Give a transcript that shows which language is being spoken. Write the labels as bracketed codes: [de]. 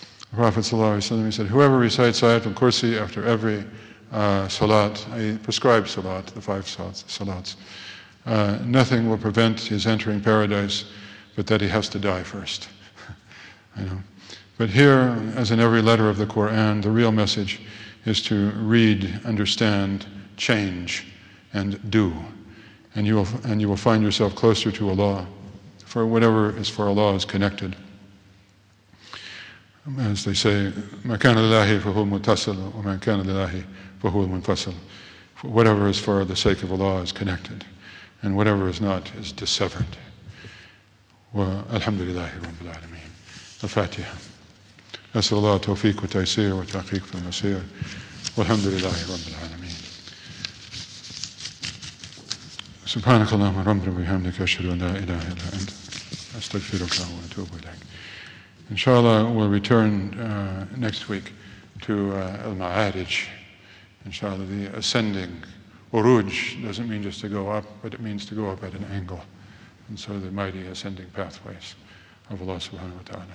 [en] The Prophet ﷺ said, whoever recites Ayat al-Kursi after every salat, a prescribed salat, the five salats, nothing will prevent his entering paradise but that he has to die first. I know. But here, as in every letter of the Quran, the real message is to read, understand, change, and do. And you will find yourself closer to Allah, for whatever is for Allah is connected. As they say, [ar] مَا كَانَ لِلَّهِ فَهُوَ مُتَصِلُ وَمَا كَانَ لِلَّهِ فَهُوَ مُنْفَصِلُ. [en] Whatever is for the sake of Allah is connected, and whatever is not is dissevered. [ar] وَالْحَمْدُ لِلَّهِ رَبِّ الْعَالَمِينَ. الفاتحة. أسأل الله التوفيق والتيسير والتحقيق في المسير. والحمد لله رب العالمين. سبحانك اللهم ربنا وبحمدك أشهد أن لا إله إلا أنت أستغفرك وأتوب إليك. [en] Inshallah, we'll return next week to al-ma'arij. Inshallah, the ascending. Uruj doesn't mean just to go up, but it means to go up at an angle. And so the mighty ascending pathways of Allah subhanahu wa ta'ala.